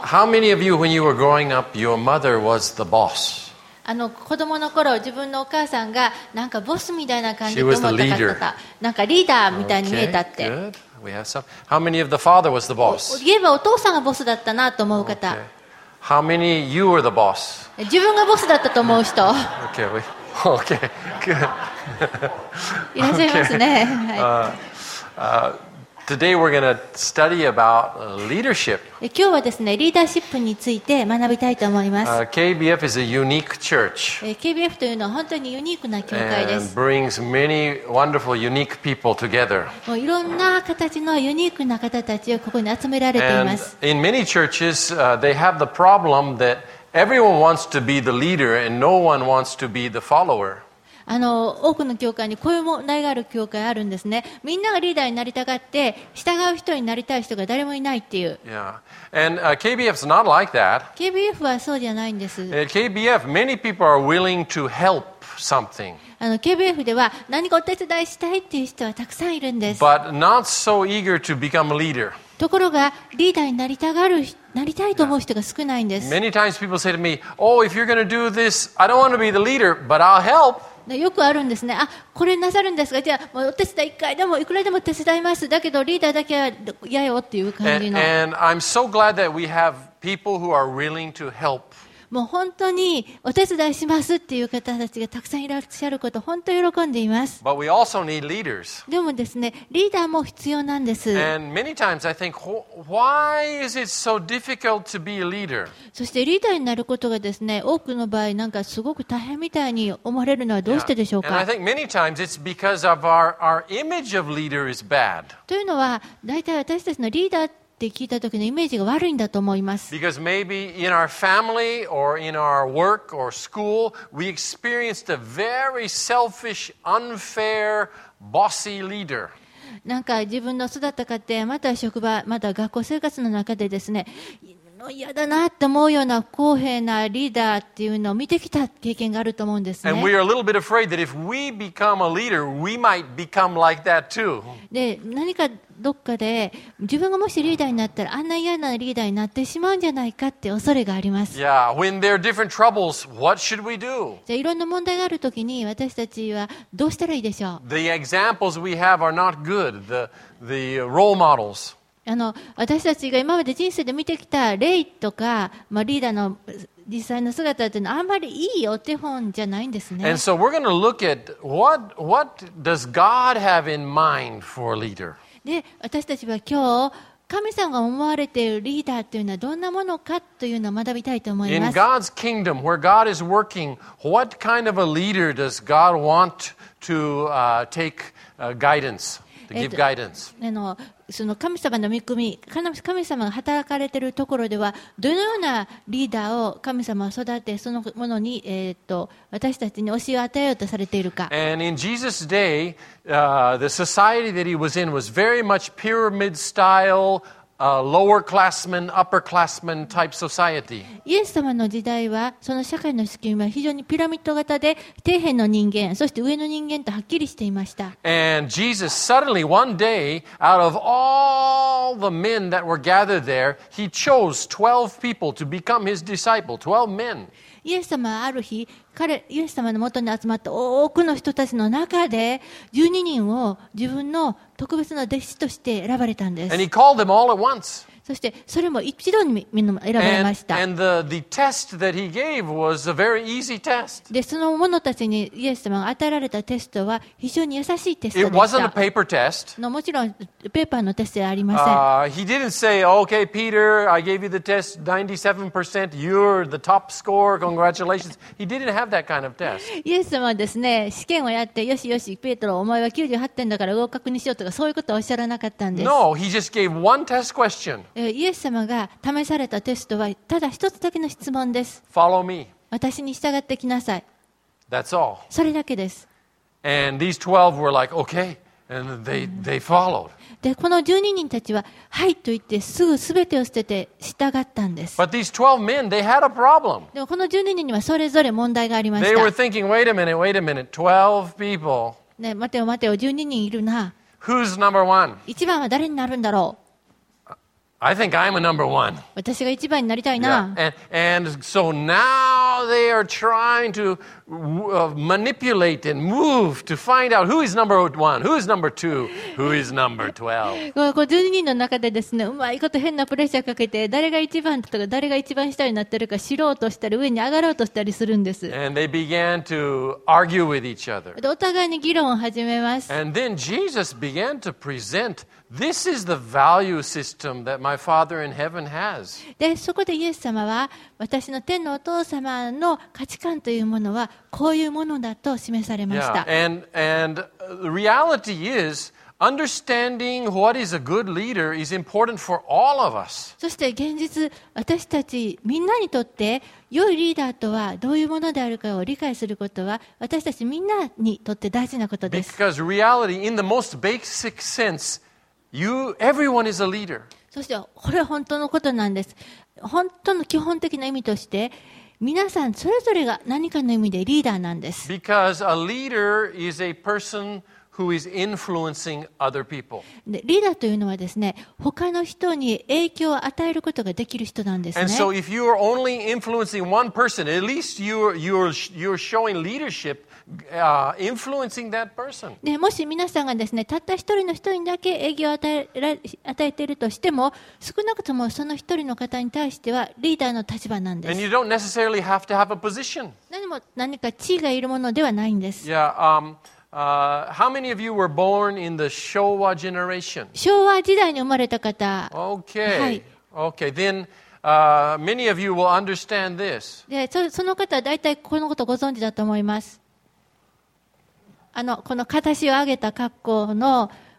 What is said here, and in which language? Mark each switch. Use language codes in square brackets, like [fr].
[en] How many of you, when you were growing up, your mother was the boss? [ja] 子供の頃、自分のお母さんがなんかボスみたいな感じで思ったかった。なんかリーダーみたいに見えたって。 [en] Okay, good. We have some. How many of the father was the boss? [ja] 言えばお父さんがボスだったなと思う方。 [en] Okay. How many you were the boss? [ja] 自分がボスだったと思う人。 [en] Okay, we. Okay, good. [ja] いらっしゃいますね。 [en] Today we're going to study about leadership. [ja] 今日はですね、リーダーシップについて学びたいと思います。 [en] KBF is a unique church. [ja] KBF というのは本当にユニークな教会です。 [en] And brings many wonderful, unique people together. [ja] もういろんな形のユニークな方たちをここに集められています。 [en] And in many churches, they have the problem that everyone wants to be the leader and no one wants to be the follower. [ja] 多くの教会にこういう問題がある教会あるんですね。みんながリーダーになりたがって従う人になりたい人が誰もいないっていう。 [en] Yeah. And, KBF is not like that. [ja] KBF はそうじゃないんです。 [en] KBF, many people are willing to help something. [ja] KBF では何かお手伝いしたいっていう人はたくさんいるんです。 [en] But not so eager to become a leader. [ja] ところがリーダーになりたがる、なりたいと思う人が少ないんです。 [en] Yeah. Many times people say to me, "Oh, if you're going to do this, I don't want to be the leader, but I'll help." [ja] よくあるんですね。あ、これなさるんですか。じゃあもうお手伝い一回でもいくらでも手伝います。だけどリーダーだけは嫌よっていう感じの。 [en] And I'm so glad that we have people who are willing to help. [ja] もう本当にお手伝いしますっていう方たちがたくさんいらっしゃること本当に喜んでいます。 [en] But we also need leaders. [ja] でもですね、リーダーも必要なんです。 [en] And many times I think, why is it so difficult to be a leader? [ja] そしてリーダーになることがですね、多くの場合なんかすごく大変みたいに思われるのはどうしてでしょうか。 [en] And I think many times it's because of our image of leader is bad. [ja] というのは、大体私たちのリーダーって聞いた時のイメージが悪いんだと思います。 [en] Because maybe in our family or in our work or school, we experienced a very selfish, unfair, bossy leader. [ja] なんか自分の育った家庭、また職場、また学校生活の中でですね、嫌だなって思うような不公平なリーダーっていうのを見てきた経験があると思うんですね。 [en] And we are a little bit afraid that if we become a leader, we might become like that too. [ja] で、何かどっかで自分がもしリーダーになったらあんな嫌なリーダーになってしまうんじゃないかって恐れがあります。 [en] Yeah, when there are different troubles, what should we do? [ja] じゃあいろんな問題があるときに私たちはどうしたらいいでしょう。 [en] The examples we have are not good. The role models. [ja] 私たちが今まで人生で見てきた例とか、まあ、リーダーの実際の姿というのはあんまりいいお手本じゃないんですね。 [en] And so we're going to look at what does God have in mind for a leader? [ja] で、私たちは今日神様が思われているリーダーというのはどんなものかというのを学びたいと思います。 [en] In God's kingdom, where God is working, what kind of a leader does God want to take guidance, to give guidance? [ja] その神様の御国、神様が働かれているところではどのようなリーダーを神様は育てそのものに、私たちに教えを与えようとされているか。 [en] And in Jesus' day, the society that he was in was very much pyramid style, lower classmen, upper classmen type society. [ja] イエス様の時代はその社会の仕組みは非常にピラミッド型で底辺の人間そして上の人間とはっきりしていました。 [en] And Jesus suddenly one day out of all the men that were gathered there he chose 12 people to become his disciple, 12 men. [ja] イエス様はある日彼イエス様の元に集まった多くの人たちの中で12人を自分の特別な弟子として選ばれたんです。 [en] And he called them all at once. [ja] そしてそれも一度にみんな選ばれました。 [en] And the test that he gave was a very easy test. [ja] でその者たちにイエス様が与えられたテストは非常に優しいテストでした。 [en] It wasn't a paper test. [ja] もちろんペーパーのテストではありません。 [en] He didn't say, "Okay, Peter, I gave you the test, 97%, you're the top score, congratulations." He didn't have that kind of test. [ja] イエス様はですね、試験をやって、よしよし、ペトロ、お前は98点だから合格にしようとか、そういうことはおっしゃらなかったんです。 [en] No, he just gave one test question. [ja] イエス様が試されたテストは、ただ一つだけの質問です。 [en] Follow me. [ja] 私に従ってきなさい。 [en] That's all. [ja] それだけです。 [en] And these 12 were like, okay. And they followed. [ja] でこの12人たちははいと言ってすぐ全てを捨てて従ったんです。 [en] But these 12 men, they had a problem. [ja] でもこの12人にはそれぞれ問題がありました。 [en] They were thinking, wait a minute, 12 people. [ja] ね、待てよ待てよ12人いるな。 [en] Who's number one? [ja] 一番は誰になるんだろう。 [en] I think I'm a number one. [ja] 私が一番になりたいな。 [en] Yeah. And so now they are trying to manipulate and move to find out who is number one, who is number two, who is number [ja] 12. 12人の中でですね、うまいこと変なプレッシャーかけて、誰が一番とか誰が一番下になってるか知ろうとしたり、上に上がろうとしたりするんです。 [en] And they began to argue with each other. [ja] お互いに議論を始めます。 [en] And then Jesus began to present, this is the value system that my father in heaven has. [ja] で、そこでイエス様は私の天のお父様の価値観というものはこういうものだと示されました。 [en] Yeah. And the reality is understanding what is a good leader is important for all of us. [ja] そして現実、私たちみんなにとって良いリーダーとはどういうものであるかを理解することは私たちみんなにとって大事なことです。 [en] Because reality, in the most basic sense, everyone is a leader. [ja] そしてこれは本当のことなんです。本当の基本的な意味として、皆さんそれぞれが何かの意味でリーダーなんです。 [en] Because a leader is a person who is influencing other people. [ja] リーダーというのはですね、他の人に影響を与えることができる人なんですね。 [en] And so if you are only influencing one person, at least you're showing leadership. Influencing that person. [ja] でもし皆さんがですね、たった一人の人にだけ影響を与えているとしても、少なくともその一人の方に対してはリーダーの立場なんです。 [en] And you don't necessarily have to have a position. [ja] 何か地位がいるものではないんです。 [en] Yeah, how many of you were born in the Showa generation? [ja] 昭和時代に生まれた方。 [en] Okay. [ja] はい。 [en] Okay. Then. Many of you will understand this. [ja] で、その方は大体このことをご存知だと思います。この形を上げた格好の